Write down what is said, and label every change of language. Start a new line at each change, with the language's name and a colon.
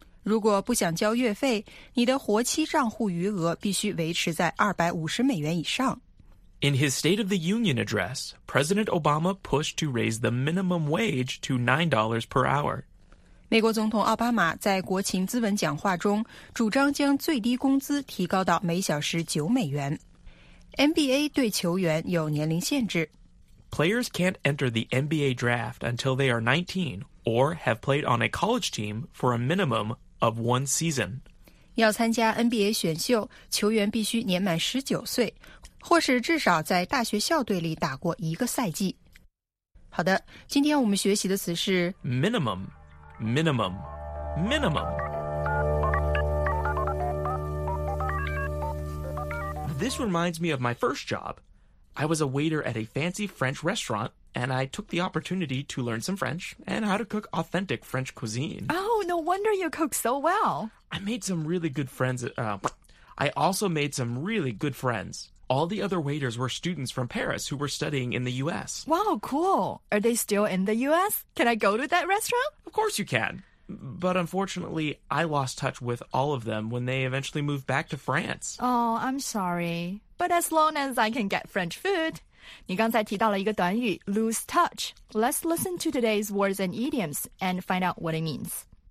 Chinese: 如果不想交月费，你的活期账户余额必须维持在250美元以上。
English: In his State of the Union address, President Obama pushed to raise the minimum wage to $9 per hour.
Chinese: 美国总统奥巴马在国情咨文讲话中主张将最低工资提高到每小时9美元。 NBA 对球员有年龄限制。
English: Players can't enter the NBA draft until they are 19 or have played on a college team for a minimum of one season.
Chinese: 要参加 NBA 选秀，球员必须年满19岁，或是至少在大学校队里打过一个赛季。好的，今天我们学习的词是
English: Minimum. Minimum, minimum. This reminds me of my first job. I was a waiter at a fancy French restaurant, and I took the opportunity to learn some French and how to cook authentic French cuisine. Oh, no wonder you cook so well. I also made some really good friends. All the other waiters were students from Paris who were studying in the U.S. Wow, cool. Are they still in the U.S.? Can I go to that restaurant? Of course you can. But unfortunately, I lost touch with all of them when they eventually moved back to France. Oh, I'm sorry. But as long as I can get French food.
Chinese: 你刚才提到了一个短语 lose touch.
English: Let's listen to today's words and idioms and find out what it means.